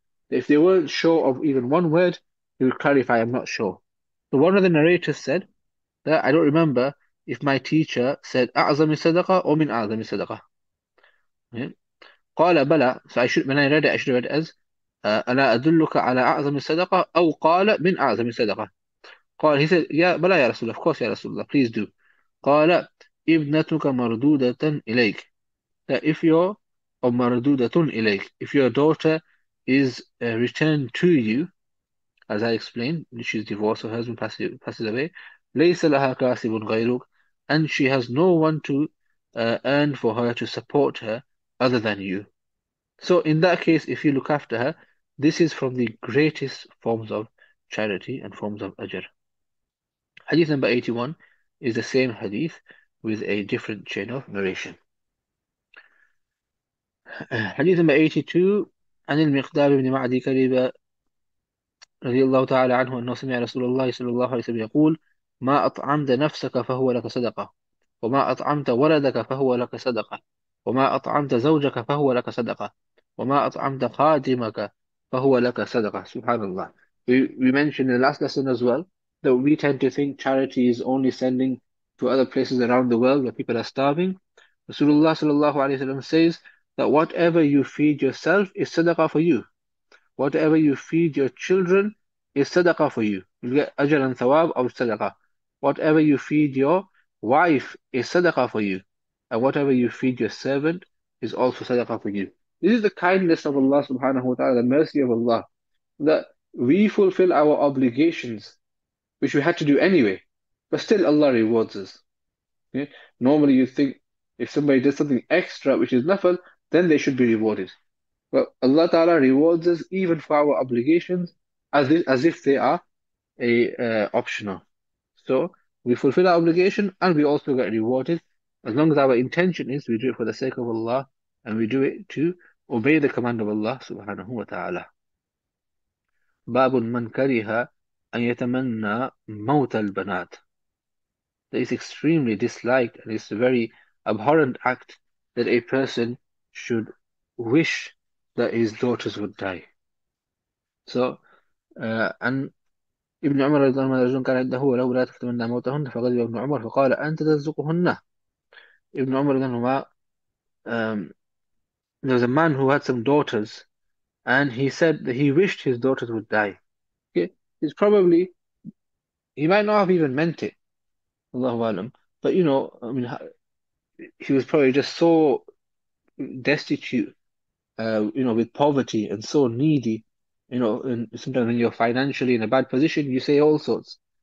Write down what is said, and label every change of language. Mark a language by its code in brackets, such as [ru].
[en] If they weren't sure of even one word, they would clarify, I'm not sure. So one of the narrators said that, I don't remember, if my teacher said [ar] أعظم صدقة [en] or [ar] من أعظم صدقة. قال بلى. [en] So I should, when I read it, I should read it as [ar] أنا أدلك على أعظم صدقة [en] أو قال من أعظم صدقة. [ar] قال, [en] he said, [ar] يا بلى يا رسول الله, [en] of course [ar] يا رسول الله, [en] please do. [ar] قال ابنتك مردودة إليك. [en] That if your or [ar] مردودة إليك, [en] if your daughter is returned to you, as I explained, she's divorced, her husband passes away, [ar] ليس لها كاسب غيرك, [en] and she has no one to earn for her to support her other than you. So in that case, if you look after her, this is from the greatest forms of charity and forms of ajr. Hadith number 81 is the same hadith with a different chain of narration. Hadith number 82, [ar] عن المقداد بن معدي كريبة رضي الله تعالى عنه أنه سمع رسول الله صلى الله عليه وسلم يقول ما أطعمت نفسك فهو لك صدقة وما أطعمت ولدك فهو لك صدقة وما أطعمت زوجك فهو لك صدقة وما أطعمت خادمك فهو لك صدقة. سبحان الله. [en] We mentioned in the last lesson as well that we tend to think charity is only sending to other places around the world where people are starving. Rasulullah sallallahu alayhi wa sallam says that whatever you feed yourself is sadaqah for you. Whatever you feed your children is sadaqah for you. You get ajr and thawab of sadaqah. Whatever you feed your wife is sadaqah for you. And whatever you feed your servant is also sadaqah for you. This is the kindness of Allah subhanahu wa ta'ala, the mercy of Allah, that we fulfill our obligations, which we had to do anyway, but still Allah rewards us. Yeah? Normally you think if somebody does something extra, which is nafal, then they should be rewarded. But Allah Ta'ala rewards us even for our obligations as if they are optional. So we fulfill our obligation and we also get rewarded. As long as our intention is, we do it for the sake of Allah and we do it to obey the command of Allah subhanahu wa ta'ala. [ar] باب من كره أن يتمنى موت البنات. [en] That is extremely disliked and it's a very abhorrent act that a person should wish that his daughters would die. So, and Ibn Umar [ar] رضي الله عنه رجل كان عنده ولو لا تتمنى موتهن فغضب ابن عمر فقال أنت ترزقهن. [en] Ibn Umar [ar] رضي الله عنه, [en] there was a man who had some daughters and he said that he wished his daughters would die. Okay? It's probably, he might not have even meant it, Allahu alam, but you know, I mean, he was probably just so destitute, you know, with poverty and so needy, you know, and sometimes when you're financially in a bad position, you say all sorts.